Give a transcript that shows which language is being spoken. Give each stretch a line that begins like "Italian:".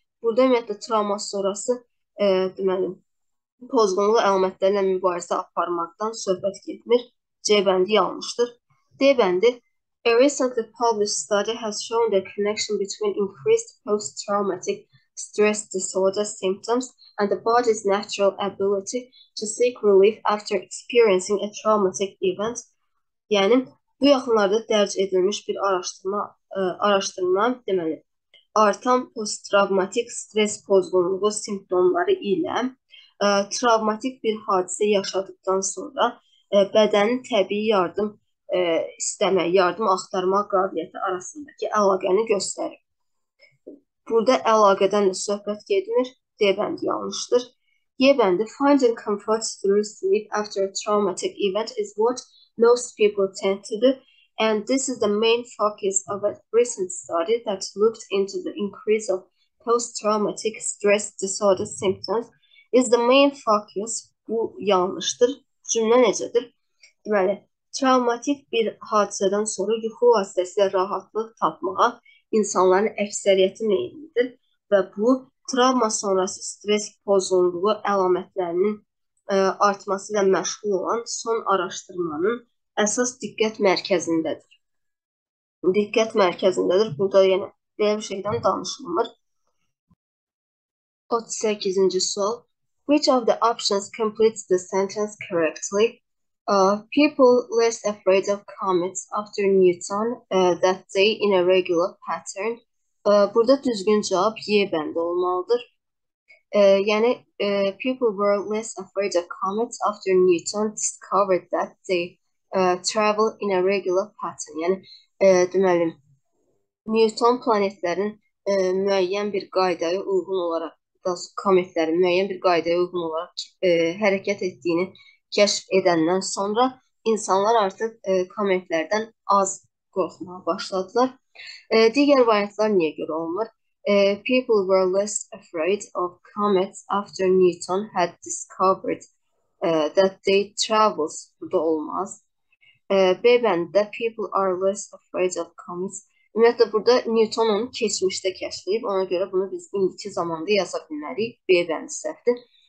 Azerbaijani: Burada ümumiyyətlə travma sonrası deməli, pozğunluq əlamətlərlə mübarizə aparmaqdan söhbət getmir. C bəndi yanlışdır. D bəndi.
English: A recently published study has shown the connection between increased post-traumatic stress disorder symptoms and the body's natural ability to seek relief after experiencing a traumatic event.
Azerbaijani: Yəni, bu yaxınlarda dərc edilmiş bir araşdırma deməli, artan posttravmatik stres pozğunluğu simptomları ilə travmatik bir hadisə yaşadıqdan sonra bədənin təbii yardım istəmək, yardım axtarmaq qabiliyyəti arasındakı əlaqəni göstərir. Burada əlaqədən də söhbət gedilir. D bəndi yanlışdır. Y bəndi,
English: finding comfort through sleep after a traumatic event is what most people tend to do. And this is the main focus of a recent study that looked into the increase of post-traumatic stress disorder symptoms. Is the main focus,
Azerbaijani: bu yanlışdır, cümlə necədir? Deməli, travmatik bir hadisədən sonra yuxu vasitəsilə rahatlıq tapmağa insanların əksəriyyəti meyillidir. Və bu, travma sonrası stres pozğunluğu əlamətlərinin artması ilə məşğul olan son araşdırmanın əsas diqqət mərkəzindədir. Diqqət mərkəzindədir. Burada yəni belə bir şeydən danışılmır. 38-ci sual.
English: Which of the options completes the sentence correctly? People less afraid of comets after Newton that day in a regular pattern.
Azerbaijani: Burada düzgün cavab Y bəndi olmalıdır. Yəni
English: people were less afraid of comets after Newton discovered that they travel in a regular pattern.
Azerbaijani: Yəni, deməli, Newton planetlərin müəyyən bir qaydaya uyğun olaraq, kometlərin müəyyən bir qaydaya uyğun olaraq hərəkət etdiyini kəşf edəndən sonra insanlar artıq kometlərdən az qorxmağa başladılar. Digər variantlar niyə görə olmur?
English: People were less afraid of comets after Newton had discovered that they travels.
Azerbaijani: Bu da olmaz. B bəndində
English: people are less afraid of comets.
Azerbaijani: Ümumiyyətlə, burada Newton onu keçmişdə kəşfləyib. Ona görə bunu biz indiki zamanda yaza bilmərik. B bəndi səhvdir.